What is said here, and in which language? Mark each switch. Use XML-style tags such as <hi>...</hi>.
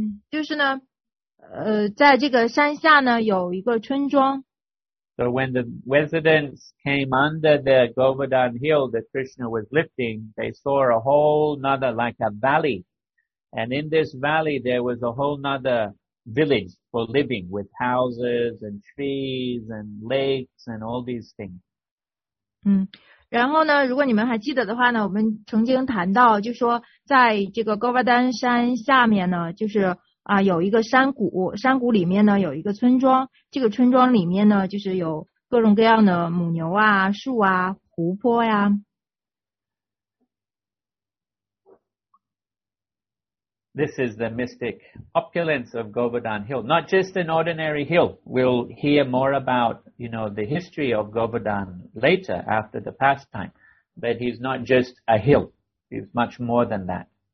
<zh>就是呢，在这个山下呢有一个村庄。</zh> <en>So when the residents came under the Govardhan Hill that Krishna was lifting, they saw a whole nother, like a valley. And in this valley, there was a whole nother village for living with houses and trees and lakes and all these things.</en> <zh>然后呢，如果你们还记得的话呢，我们曾经谈到，就说在这个 Govardhan 山下面呢，就是有一个山谷，山谷里面呢有一个村庄，这个村庄里面呢就是有各种各样的母牛啊、树啊、湖泊呀。</zh> <en>This is the mystic opulence of Govardhan Hill. Not just an ordinary hill. We'll hear more about, you know, the history of Govardhan later after the pastime. But he's not just a hill. He's much more than that.</en>